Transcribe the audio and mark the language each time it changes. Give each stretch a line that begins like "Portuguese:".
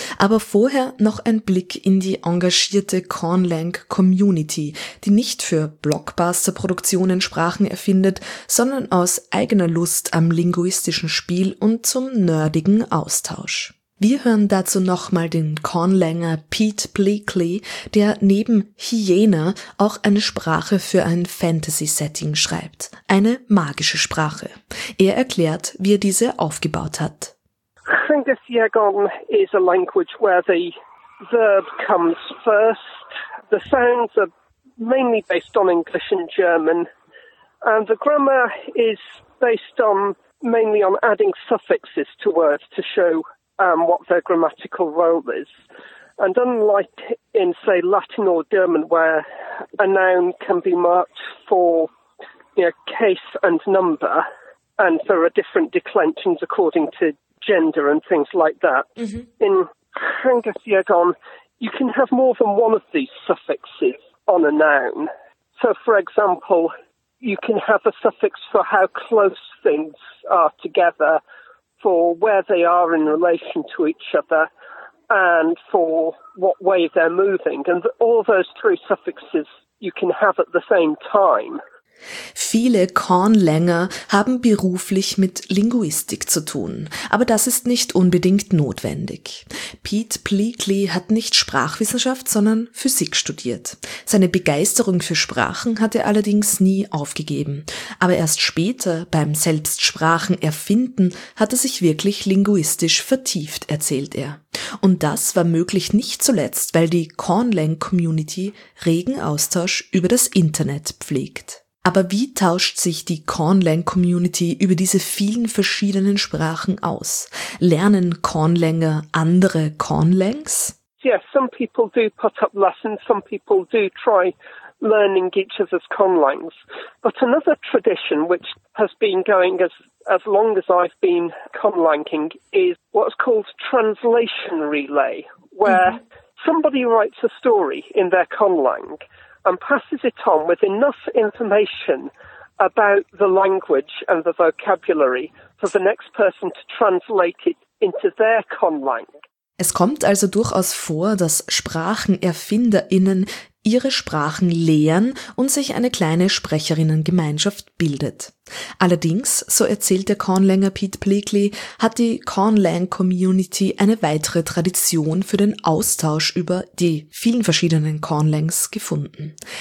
German: Aber vorher noch ein Blick in die engagierte Conlang-Community, die nicht für Blockbuster-Produktionen Sprachen erfindet, sondern aus eigener Lust am linguistischen Spiel und zum nerdigen Austausch. Wir hören dazu nochmal den Conlanger Pete Bleakley, der neben Hyena auch eine Sprache für ein Fantasy-Setting schreibt. Eine magische Sprache. Er erklärt, wie er diese aufgebaut hat.
English: I think the Theogon is a language where the verb comes first. The sounds are mainly based on English and German. And the grammar is based on mainly on adding suffixes to words to show what their grammatical role is. And unlike in, say, Latin or German, where a noun can be marked for, you know, case and number, and there are different declensions according to gender and things like that, mm-hmm. in hangathiagon, you can have more than one of these suffixes on a noun. So, for example, you can have a suffix for how close things are together, for where they are in relation to each other, and for what way they're moving. And all those three suffixes you can have at the same time.
German: Viele Kornlänger haben beruflich mit Linguistik zu tun, aber das ist nicht unbedingt notwendig. Pete Bleakley hat nicht Sprachwissenschaft, sondern Physik studiert. Seine Begeisterung für Sprachen hat er allerdings nie aufgegeben. Aber erst später, beim Selbstsprachen erfinden, hat er sich wirklich linguistisch vertieft, erzählt er. Und das war möglich nicht zuletzt, weil die Kornlang-Community regen Austausch über das Internet pflegt. Aber wie tauscht sich die Kornlang-Community über diese vielen verschiedenen Sprachen aus? Lernen Kornlänger andere Kornlangs?
English: Yes, some people do put up lessons, some people do try learning each other's Kornlangs. But another tradition which has been going as long as I've been Kornlanging is what's called translation relay, where somebody writes a story in their Kornlang and passes it on with enough information about the language and the vocabulary for the next person to translate it into their Kornlang.
German: Es kommt also durchaus vor, dass SprachenerfinderInnen ihre Sprachen lehren und sich eine kleine Sprecherinnengemeinschaft bildet. Allerdings, so erzählt der Kornlänger Pete Bleakley, hat die Kornlang-Community eine weitere Tradition für den Austausch über die vielen verschiedenen Kornlangs gefunden.